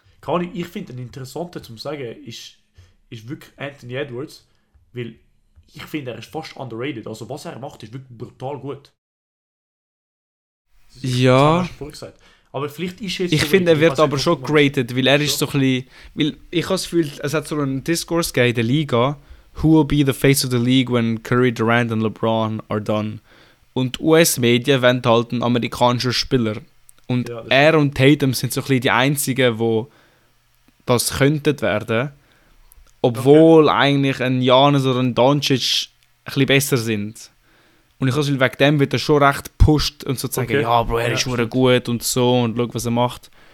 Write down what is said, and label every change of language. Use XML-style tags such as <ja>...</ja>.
<de>Keine Ahnung, ich finde einen interessanten zu sagen, ist wirklich Anthony Edwards, weil ich finde, er ist fast underrated. Also was er macht, ist wirklich brutal gut. Ja. Aber vielleicht ist jetzt... Ich finde, er wird aber schon graded, weil er ist so ein bisschen... Weil ich habe das Gefühl, es hat so einen Diskurs gegeben in der Liga.</de> <en>Who will be the face of the league when Curry, Durant and LeBron are done?</en> <de>Und US-Medien wollen halt einen amerikanischen Spieler. Und er und Tatum sind so ein bisschen die Einzigen, die das könnten werden. Obwohl eigentlich ein Giannis oder ein Doncic ein bisschen besser sind. Und ich habe wegen dem wird er schon recht gepusht und so zu sagen, ja, Bro, er ist wirklich gut und so und schau, was er macht.</de>